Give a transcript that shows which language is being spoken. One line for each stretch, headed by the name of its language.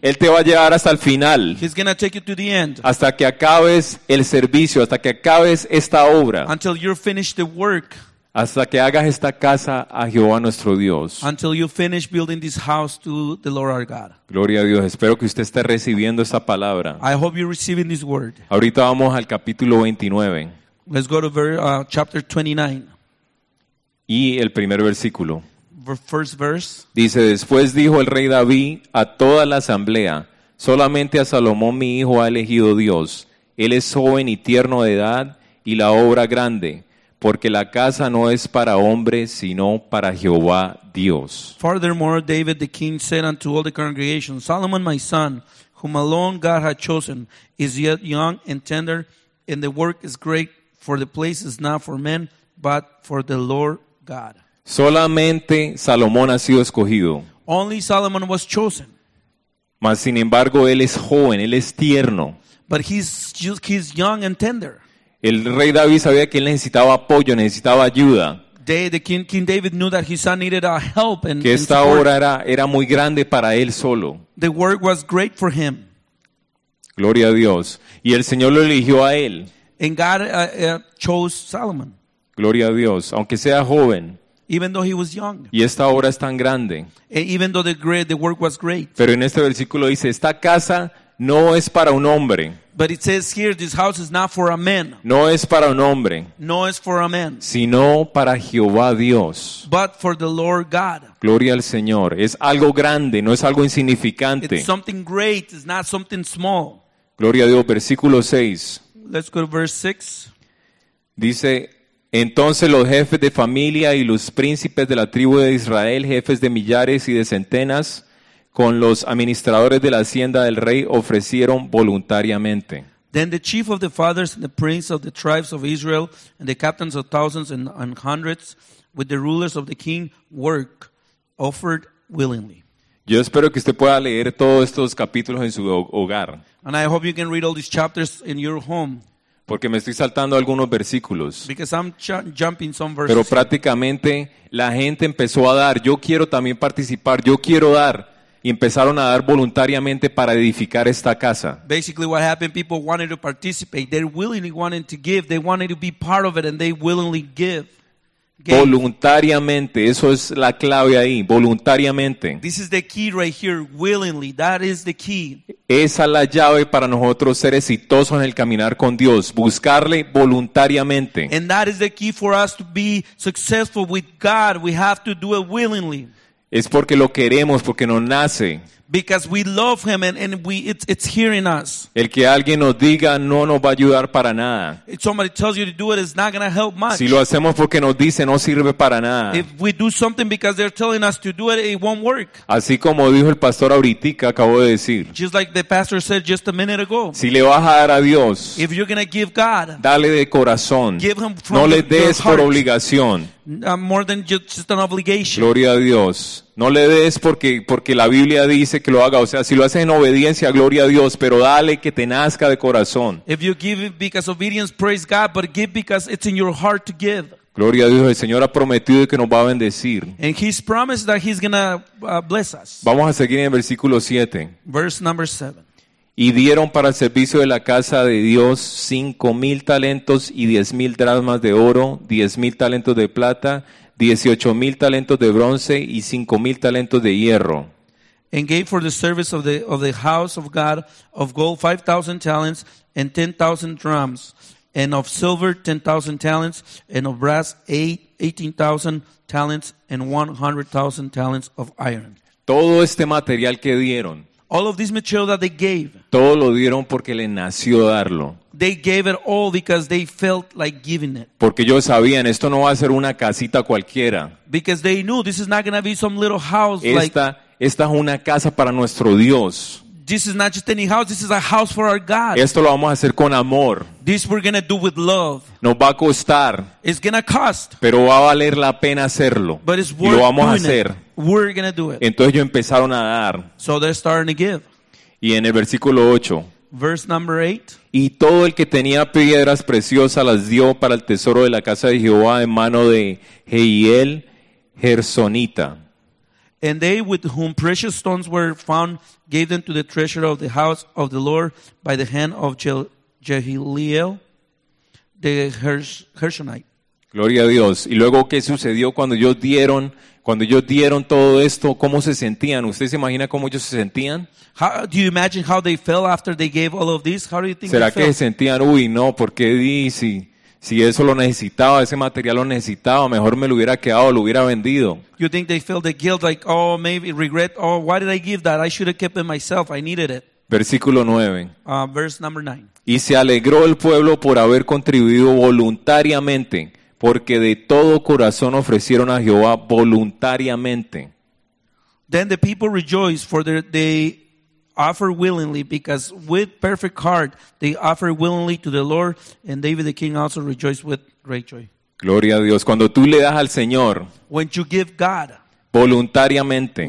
Spanish: Él te va a llevar hasta el final.
English: He's gonna take you to the end.
Spanish: Hasta que acabes el servicio, hasta que acabes esta obra.
English: Until you finish the work.
Spanish: Hasta que hagas esta casa a Jehová nuestro Dios.
English: Until you finish building this house to the Lord our God.
Spanish: Gloria a Dios. Espero que usted esté recibiendo esta palabra.
English: I hope you're receiving this word.
Spanish: Ahorita vamos al capítulo 29.
English: Let's go to chapter 29.
Spanish: Y el primer versículo.
English: First verse.
Spanish: Dice, después dijo el rey David a toda la asamblea, solamente a Salomón mi hijo ha elegido Dios. Él es joven y tierno de edad y la obra grande. Porque la casa no es para hombres, sino para Jehová Dios.
English: Furthermore, David the king said unto all the congregation, Solomon my son, whom alone God had chosen, is yet young and tender, and the work is great, for the place is not for men, but for the Lord God.
Spanish: Solamente Salomón ha sido escogido.
English: Only Solomon was chosen.
Spanish: Mas sin embargo, él es joven, él es tierno.
English: But he's young and tender.
Spanish: El rey David sabía que él necesitaba apoyo, necesitaba ayuda.
English: King David knew that his son needed help and
Spanish: que esta obra era muy grande para él solo.
English: The work was great for him.
Spanish: Gloria a Dios. Y el Señor lo eligió a él.
English: And God chose Solomon.
Spanish: Gloria a Dios, aunque sea joven.
English: Even though he was young.
Spanish: Y esta obra es tan grande.
English: Even though the work was great.
Spanish: Pero en este versículo dice, esta casa no es para un hombre.
English: But it says here, this house is not for a man.
Spanish: No es para un hombre. No es
English: for a man.
Spanish: Sino para Jehová Dios.
English: But for the Lord God.
Spanish: Gloria al Señor. Es algo grande, no es algo insignificante.
English: It's something great, it's not something small.
Spanish: Gloria a Dios. Versículo 6.
English: Let's go to verse 6.
Spanish: Dice, entonces los jefes de familia y los príncipes de la tribu de Israel, jefes de millares y de centenas, con los administradores de la hacienda del rey ofrecieron voluntariamente.
English: Then the chief of the fathers and the prince of the tribes of Israel and the captains of thousands and hundreds with the rulers of the king work offered willingly.
Spanish: Yo espero que usted pueda leer todos estos capítulos en su hogar.
English: And I hope you can read all these chapters in your home.
Spanish: Porque me estoy saltando algunos versículos.
English: Because I'm jumping some verses.
Spanish: Pero prácticamente la gente empezó a dar. Yo quiero también participar. Yo quiero dar. Y empezaron a dar voluntariamente para edificar esta casa.
English: Basically what happened, people wanted to participate. They willingly wanted to give. They wanted to be part of it and they willingly give.
Spanish: Voluntariamente, eso es la clave ahí, voluntariamente.
English: This is the key right here, willingly. That is the key.
Spanish: Esa es la llave para nosotros ser exitosos en el caminar con Dios, buscarle voluntariamente.
English: And that is the key for us to be successful with God. We have to do it willingly.
Spanish: Es porque lo queremos, porque nos nace.
English: Because we love him and we it's here in us.
Spanish: El que alguien nos diga no nos va a ayudar para nada.
English: If somebody tells you to do it, it's not gonna help much.
Spanish: Si lo hacemos porque nos dice no sirve para nada.
English: If we do something because they're telling us to do it, it won't work.
Spanish: Así como dijo el pastor ahoritica, acabo de decir.
English: Just like the pastor said just a minute ago.
Spanish: Si le vas a dar a Dios,
English: if you're gonna give God,
Spanish: dale de corazón.
English: Give him from
Spanish: no le des por obligación.
English: More than just an obligation.
Spanish: Gloria a Dios. No le des porque la Biblia dice que lo haga. O sea, si lo haces en obediencia, gloria a Dios. Pero dale que te nazca de corazón.
English: If you give because obedience, praise God. But give because it's in your heart to give.
Spanish: Gloria a Dios. El Señor ha prometido que nos va a bendecir.
English: And he's promised that he's gonna bless us.
Spanish: Vamos a seguir en el versículo 7.
English: Verse number 7.
Spanish: Y dieron para el servicio de la casa de Dios 5,000 talentos y 10,000 dracmas de oro, 10,000 talentos de plata, 18,000 talentos de bronce y 5,000 talentos de hierro.
English: And gave for the service of the house of God of gold 5,000 talents and 10,000 drams, and of silver 10,000 talents, and of brass 18,000 talents, and 100,000 talents of iron.
Spanish: Todo este material que dieron.
English: All of this material that they gave.
Spanish: Todo lo dieron porque le nació darlo.
English: They gave it all because they felt like giving it.
Spanish: Porque ellos sabían, esto no va a ser una casita cualquiera.
English: Because they knew this is not going to be some little house.
Spanish: Esta es una casa para nuestro Dios.
English: This is not just any house, this is a house for our God.
Spanish: Esto lo vamos a hacer con amor.
English: This we're going to do with love.
Spanish: Nos va a costar.
English: It's going to cost.
Spanish: Pero va a valer la pena hacerlo.
English: But it's worth
Spanish: y lo vamos a hacer.
English: It. We're going to do it.
Spanish: Entonces ellos empezaron a dar.
English: So they're starting to give.
Spanish: Y en el versículo 8.
English: Verse number 8.
Spanish: Y todo el que tenía piedras preciosas las dio para el tesoro de la casa de Jehová en mano de Jehiel Gersonita.
English: And they with whom precious stones were found gave them to the treasure of the house of the Lord by the hand of Jehiel the Gershonite.
Spanish: Gloria a Dios. Y luego, ¿qué sucedió cuando ellos dieron todo esto? ¿Cómo se sentían? ¿Usted se imagina cómo ellos se sentían?
English: How do you imagine how they felt after they gave all of this? How do you think
Spanish: ¿será
English: they
Spanish: que
English: felt?
Spanish: Se sentían, uy, no, porque di sí. Si eso lo necesitaba, ese material lo necesitaba, mejor me lo hubiera quedado, lo hubiera vendido.
English: You think they feel the guilt like, oh, maybe regret, oh, why did I give that? I should have kept it myself, I needed it.
Spanish: Versículo 9.
English: Verse number 9.
Spanish: Y se alegró el pueblo por haber contribuido voluntariamente, porque de todo corazón ofrecieron a Jehová voluntariamente.
English: Then the people rejoiced for they offer willingly, because with perfect heart they offer willingly to the Lord, and David the king also rejoiced with great joy.
Spanish: Gloria a Dios. Cuando tú le das al Señor,
English: when you give God,
Spanish: voluntariamente,